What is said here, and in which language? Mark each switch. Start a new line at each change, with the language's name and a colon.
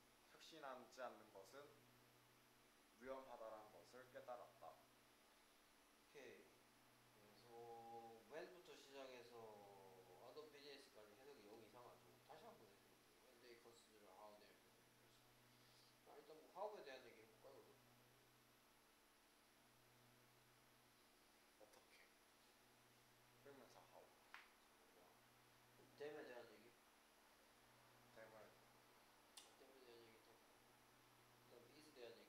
Korean: 혁신하지 않는 것은 위험하다라는 것을 깨달았다. 오케이. 그래서 웰부터 시작해서 아더 비즈니스까지 해석이 여기 이상하죠. 다시 한번 해볼게요.
English: When they consider how they are doing business.
Korean: 아, 일단 뭐 how에 대한 얘기 해볼까요? 어떻게? 그러면서 how? 댐에 대한 얘기? 댐을 댐에 대한 얘기 또 그다음 비즈에 대한 얘기